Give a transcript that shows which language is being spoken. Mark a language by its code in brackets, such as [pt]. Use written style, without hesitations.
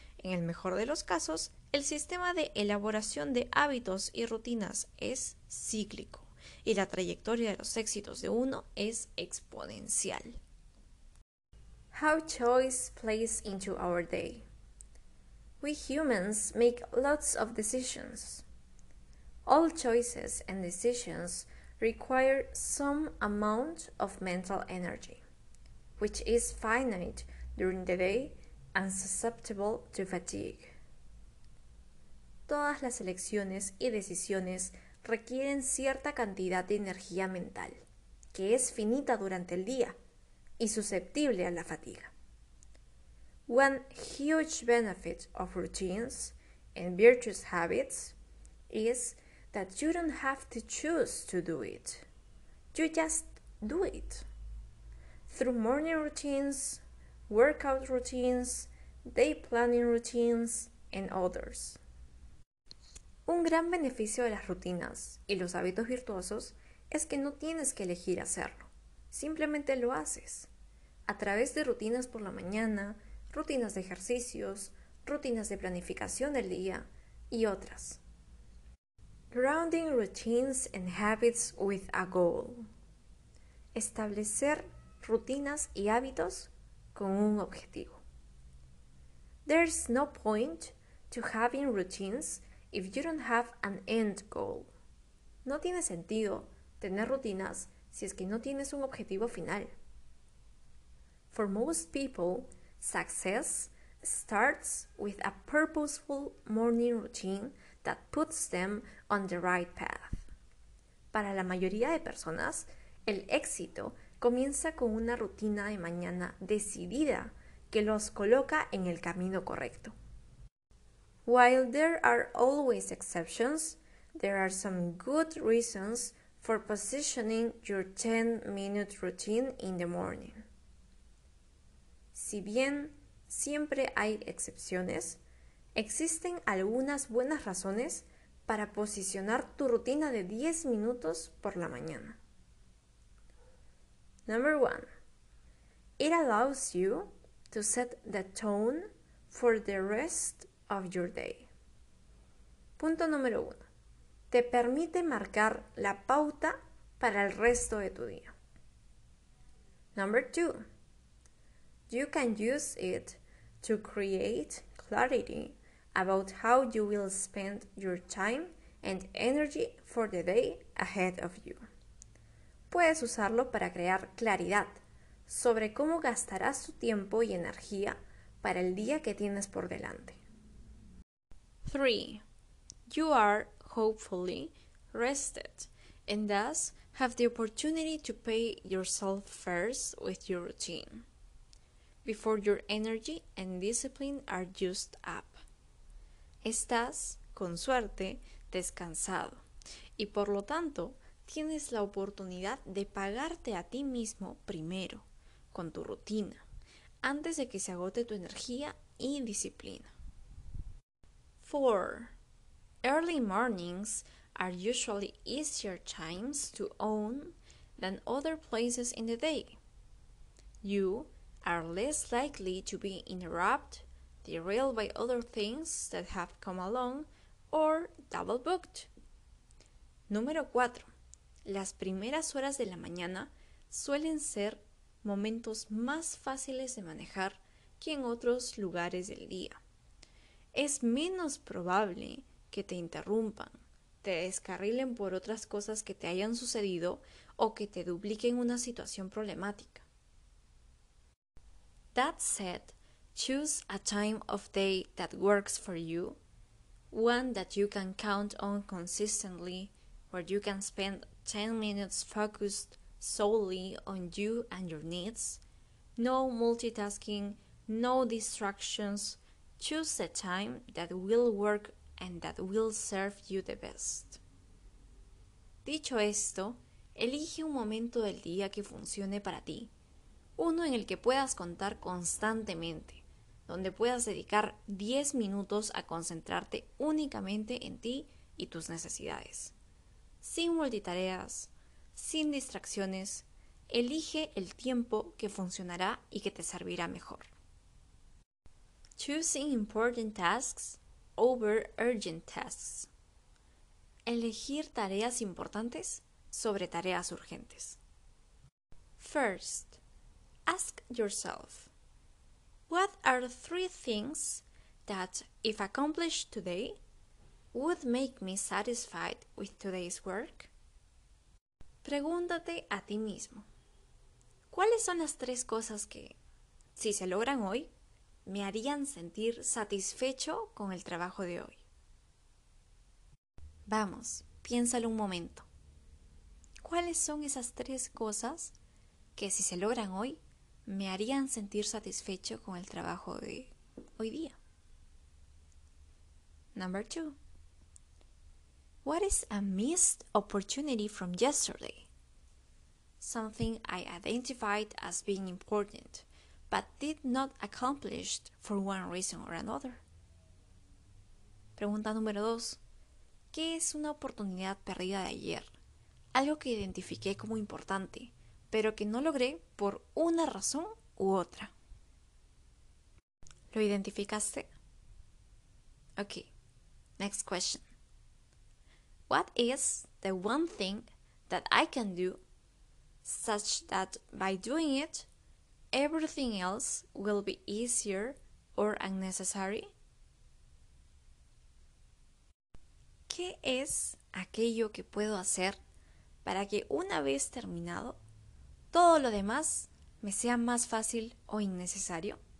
[es] En el mejor de los casos, el sistema de elaboración de hábitos y rutinas es cíclico y la trayectoria de los éxitos de uno es exponencial. [en] How choice plays into our day. We humans make lots of decisions. All choices and decisions require some amount of mental energy, which is finite during the day and susceptible to fatigue. [es] Todas las elecciones y decisiones requieren cierta cantidad de energía mental, que es finita durante el día y susceptible a la fatiga. [en] One huge benefit of routines and virtuous habits is that you don't have to choose to do it. You just do it. Through morning routines, workout routines, day planning routines, and others. [es] Un gran beneficio de las rutinas y los hábitos virtuosos es que no tienes que elegir hacerlo, simplemente lo haces. A través de rutinas por la mañana, rutinas de ejercicios, rutinas de planificación del día y otras. [en] Grounding routines and habits with a goal. [es] Establecer rutinas y hábitos con un objetivo. [en] There's no point to having routines if you don't have an end goal. [es] No tiene sentido tener rutinas si es que no tienes un objetivo final. [en] For most people, success starts with a purposeful morning routine that puts them on the right path. [es] Para la mayoría de personas, el éxito comienza con una rutina de mañana decidida que los coloca en el camino correcto. [en] While there are always exceptions, there are some good reasons for positioning your 10-minute routine in the morning. [es] Si bien siempre hay excepciones, existen algunas buenas razones para posicionar tu rutina de 10 minutos por la mañana. [en] Number one, it allows you to set the tone for the rest of your day. [es] Punto número uno, te permite marcar la pauta para el resto de tu día. [en] Number two, you can use it to create clarity about how you will spend your time and energy for the day ahead of you. [es] Puedes usarlo para crear claridad sobre cómo gastarás tu tiempo y energía para el día que tienes por delante. [en] 3. You are, hopefully, rested and thus have the opportunity to pay yourself first with your routine before your energy and discipline are used up. [es] Estás, con suerte, descansado y por lo tanto tienes la oportunidad de pagarte a ti mismo primero con tu rutina antes de que se agote tu energía y disciplina. [en] 4. Early mornings are usually easier times to own than other places in the day. You are less likely to be interrupted, derailed by other things that have come along, or double booked. [es] Número 4. Las primeras horas de la mañana suelen ser momentos más fáciles de manejar que en otros lugares del día. Es menos probable que te interrumpan, te descarrilen por otras cosas que te hayan sucedido o que te dupliquen una situación problemática. [en] That said, choose a time of day that works for you, one that you can count on consistently, where you can spend 10 minutes focused solely on you and your needs. No multitasking, no distractions. Choose the time that will work and that will serve you the best. [es] Dicho esto, elige un momento del día que funcione para ti, uno en el que puedas contar constantemente, donde puedas dedicar 10 minutos a concentrarte únicamente en ti y tus necesidades. Sin multitareas, sin distracciones, elige el tiempo que funcionará y que te servirá mejor. [en] Choosing important tasks over urgent tasks. [es] Elegir tareas importantes sobre tareas urgentes. [en] First, ask yourself, what are three things that, if accomplished today, would make me satisfied with today's work? [es] Pregúntate a ti mismo, ¿cuáles son las tres cosas que, si se logran hoy, me harían sentir satisfecho con el trabajo de hoy? Vamos, piénsalo un momento. ¿Cuáles son esas tres cosas que, si se logran hoy, me harían sentir satisfecho con el trabajo de hoy día? [en] Number two. What is a missed opportunity from yesterday? Something I identified as being important, but did not accomplish for one reason or another. [es] Pregunta número 2. ¿Qué es una oportunidad perdida de ayer? Algo que identifiqué como importante, pero que no logré por una razón u otra. ¿Lo identificaste? [en] Ok, next question. What is the one thing that I can do such that by doing it, everything else will be easier or unnecessary? [es] ¿Qué es aquello que puedo hacer para que una vez terminado, todo lo demás me sea más fácil o innecesario?